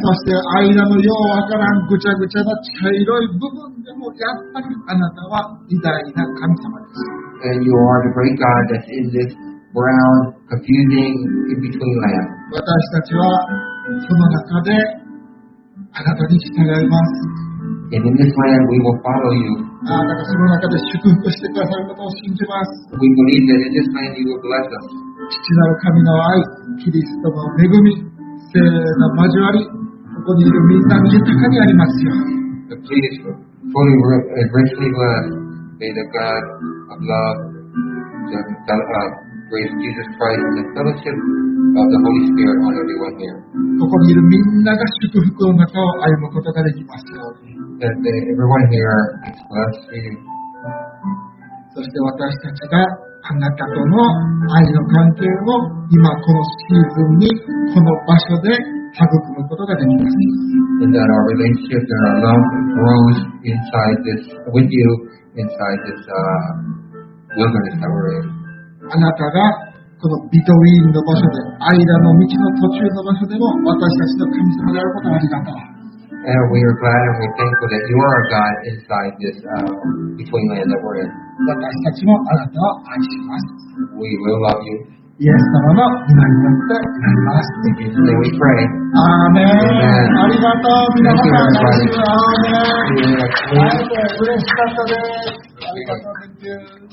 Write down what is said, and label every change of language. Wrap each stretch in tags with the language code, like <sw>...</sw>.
<ja>そして、アイラのようわからんぐちゃぐちゃな茶色い部分でも、やっぱりあなたは偉大な神様です。</ja> <en>And you are the great God that is this brown, confusing, in between land.</en> <ja>私たちはその中であなたに従います。</ja> <en>And in this land, we will follow you.</en> <ja>あなたがその中で祝福してくださることを信じます。</ja> <en>We believe that in this land, you will bless us.</en> <ja>父なる神の愛、キリストの恵み、聖霊の交わり、ここにいるみんなに豊かにありますよ。</ja> <en>The priest, fully and richly blessed, may the God of love, the grace of Jesus Christ, and the fellowship of the Holy Spirit on everyone here.</en> <ja>ここにいるみんなが祝福の中を歩むことができますよ。</ja> <en>That everyone here is blessed for you.</en> <ja>そして私たちがあなたとの愛の関係を今このシーズンにこの場所で育むことができます。</ja> <en>And that our relationship and our love grows inside this with you inside this wilderness that we're in.</en> <ja>あなたがこのビトウィーンの場所で間の道の途中の場所でも私たちの神様であることをありがとう。</ja> <en>And we are glad and we're thankful that you are a God inside this between land that we're in.</en> <ja>私たちもあなたを愛します。</ja> <en>We will love you.</en> <ja>イエス様の名によって祈ります。</ja> <en>In Jesus' name we pray.</en> <ja>Amen. ありがとう。皆様、ありがとう。ありがとう。ありがとう。嬉しかったです。ありがとう。</ja>